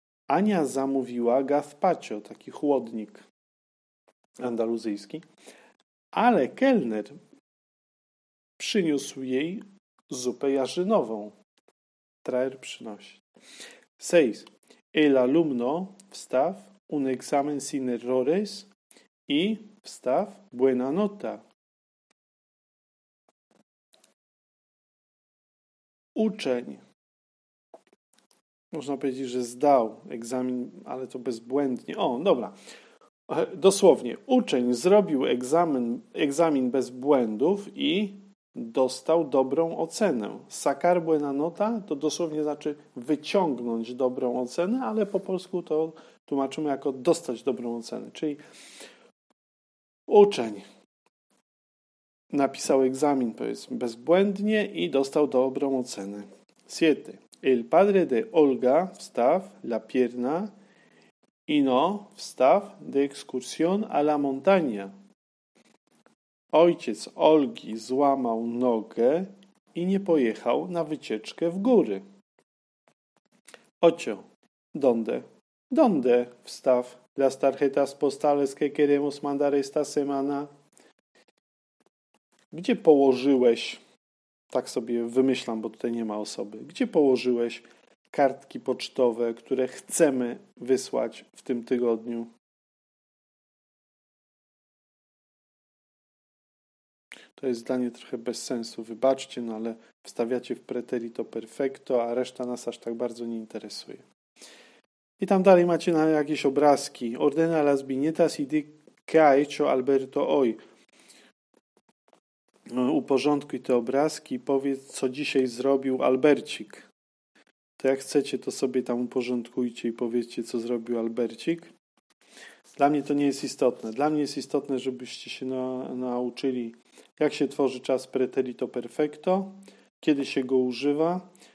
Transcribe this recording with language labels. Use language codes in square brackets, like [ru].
[pl] Ania zamówiła gazpacho, taki chłodnik andaluzyjski, ale kelner przyniósł jej zupę jarzynową. [es] Traer [pl] przynosi. [es] Seis. El alumno wstaw un examen sin errores i wstaw buena nota. [pl] Uczeń. Można powiedzieć, że zdał egzamin, ale to bezbłędnie. O, dobra. Dosłownie. Uczeń zrobił egzamin bez błędów i dostał dobrą ocenę. [es] Sacar buena nota [pl] to dosłownie znaczy wyciągnąć dobrą ocenę, ale po polsku to tłumaczymy jako dostać dobrą ocenę. Czyli uczeń napisał egzamin, powiedzmy, bezbłędnie i dostał dobrą ocenę. [es] Siete. El padre de Olga wstaw la pierna y no wstaw de excursión a la montaña. [pl] Ojciec Olgi złamał nogę i nie pojechał na wycieczkę w góry. [es] Ocio, donde? Donde wstaw las tarjetas postales que queremos mandar esta semana? [pl] Gdzie położyłeś, tak sobie wymyślam, bo tutaj nie ma osoby, gdzie położyłeś kartki pocztowe, które chcemy wysłać w tym tygodniu? To jest zdanie trochę bez sensu, wybaczcie, no ale wstawiacie w preterito perfecto, a reszta nas aż tak bardzo nie interesuje. I tam dalej macie na jakieś obrazki. [es] Ordena las viñetas y di que ha hecho Alberto hoy. [pl] Uporządkuj te obrazki i powiedz, co dzisiaj zrobił Albercik. To jak chcecie, to sobie tam uporządkujcie i powiedzcie, co zrobił Albercik. Dla mnie to nie jest istotne. Dla mnie jest istotne, żebyście się nauczyli, jak się tworzy czas preterito perfecto, kiedy się go używa.